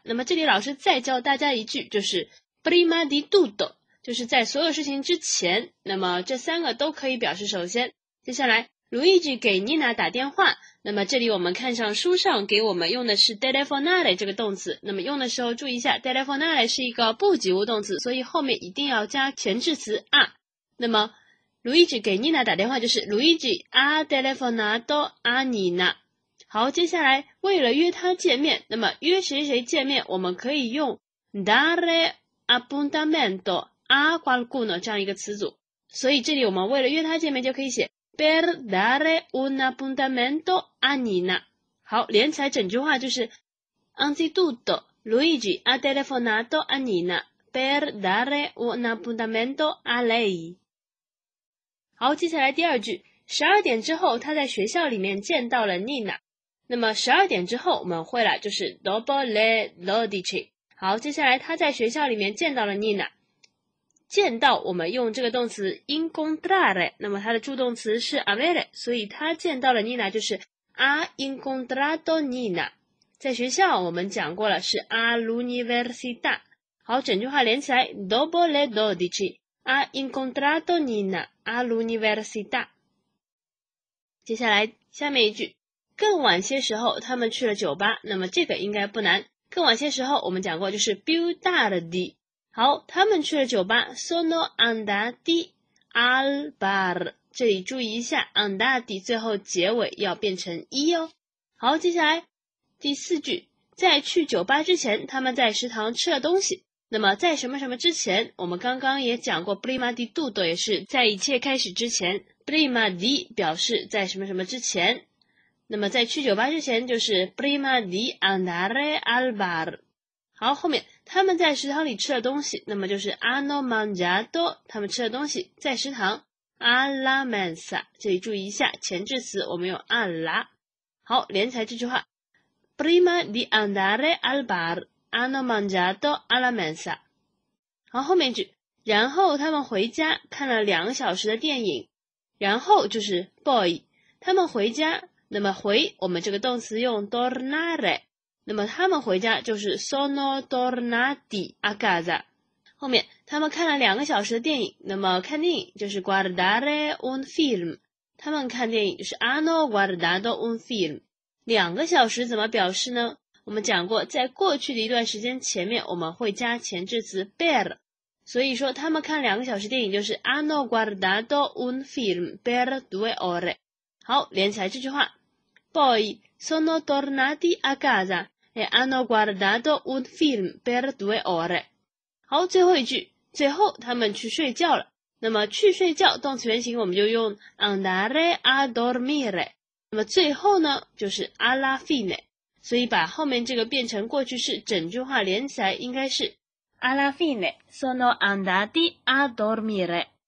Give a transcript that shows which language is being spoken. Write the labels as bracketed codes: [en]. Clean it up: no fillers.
[zh] 那么这里老师再教大家一句，就是 [it] prima di tutto， [zh] 就是在所有事情之前。那么这三个都可以表示首先。接下来 ，Luigi 给 Nina 打电话。那么这里我们看上书上给我们用的是 telefonare 这个动词。那么用的时候注意一下 ，telefonare 是一个不及物动词，所以后面一定要加前置词 a。那么Luigi 给 Nina 打电话就是 [it] Luigi ha telefonato a Nina。 [zh] 好，接下来为了约他见面，那么约谁谁见面我们可以用 [it] dare appuntamento a qualcuno [zh] 这样一个词组，所以这里我们为了约他见面就可以写 [it] per dare un appuntamento a Nina。 [zh] 好，连起来整句话就是 [it] anzitutto Luigi ha telefonato a Nina per dare un appuntamento a lei。 [zh] 好，接下来第二句，12点之后他在学校里面见到了 Nina。那么12点之后我们会了就是 [it] dopo le 12。 [zh] 好，接下来他在学校里面见到了 Nina。见到我们用这个动词 incontrare， 那么他的助动词是 avere， 所以他见到了 Nina 就是 [it] ha incontrato Nina。 [zh] 在学校我们讲过了是 [it] all'università。 [zh] 好，整句话连起来 [it] dopo le 12ha incontrato Nina all'università。 [zh] 接下来下面一句，更晚些时候他们去了酒吧。那么这个应该不难，更晚些时候我们讲过就是 [it] più tardi。 [zh] 好，他们去了酒吧 [it] sono andati al bar， [zh] 这里注意一下 andati 最后结尾要变成一哦。好，接下来第四句，在去酒吧之前他们在食堂吃了东西。那么在什么什么之前，我们刚刚也讲过 [it] prima di tutto [zh] 也是在一切开始之前， [it] prima di [zh] 表示在什么什么之前。那么在去酒吧之前就是 [it] prima di andare al bar。 [zh] 好，后面他们在食堂里吃了东西，那么就是 [it] hanno mangiato， [zh] 他们吃了东西在食堂 [it] alla mensa， [zh] 这里注意一下前置词我们用 alla。好，连起来这句话 [it] prima di andare al barhanno mangiato alla mensa。 [zh] 好，后面一句，然后他们回家看了两小时的电影，然后就是 boy， 他们回家，那么回，我们这个动词用 tornare， 那么他们回家就是 [it] sono tornati a casa。 [zh] 后面他们看了两个小时的电影，那么看电影就是 [it] guardare un film， [zh] 他们看电影就是 [it] hanno guardato un film。 [zh] 两个小时怎么表示呢？我们讲过，在过去的一段时间前面我们会加前置词 per， 所以说他们看两个小时电影就是 [it] hanno guardato un film per due ore。 [zh] 好，连起来这句话， [it] poi sono tornati a casa e hanno guardato un film per due ore。 [zh] 好，最后一句，最后他们去睡觉了。那么去睡觉动词原形我们就用 [it] andare a dormire， [zh] 那么最后呢就是 [it] alla fine， [zh] 所以把后面这个变成过去式，整句话连起来应该是 [it] alla fine sono andati a dormire。